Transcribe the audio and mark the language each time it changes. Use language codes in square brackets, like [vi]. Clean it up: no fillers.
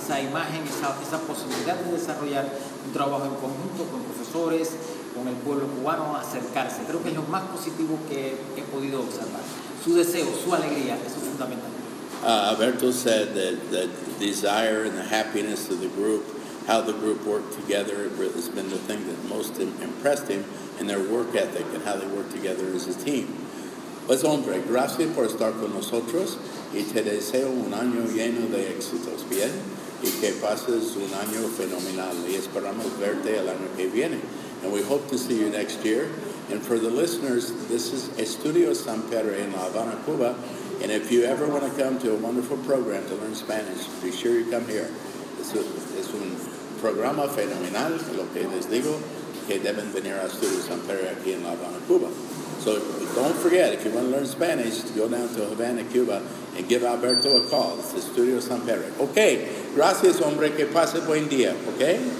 [es] Esa imagen, esa posibilidad de desarrollar un trabajo en conjunto con profesores, con el pueblo cubano, acercarse. Creo que es lo más positivo que he podido observar. Su deseo, su alegría, eso es fundamental. [en] Alberto said that the desire and the happiness of the group, how the group worked together, has been the thing that most impressed him, and their work ethic and how they work together as a team. [es] Pues hombre, gracias por estar con nosotros y te deseo un año lleno de éxitos, bien, y que pases un año fenomenal, y esperamos verte el año que viene. [en] And we hope to see you next year. And for the listeners, this is Estudio San Pedro in La Habana, Cuba. And if you ever want to come to a wonderful program to learn Spanish, be sure you come here. [es] Es un programa fenomenal, lo que les digo, que deben venir a Estudio San Pedro aquí en La Habana, Cuba. [en] So don't forget, if you want to learn Spanish, go down to Havana, Cuba, and give Alberto a call. It's Estudio San Pedro. [es] Okay, gracias, hombre, que pase buen día, okay?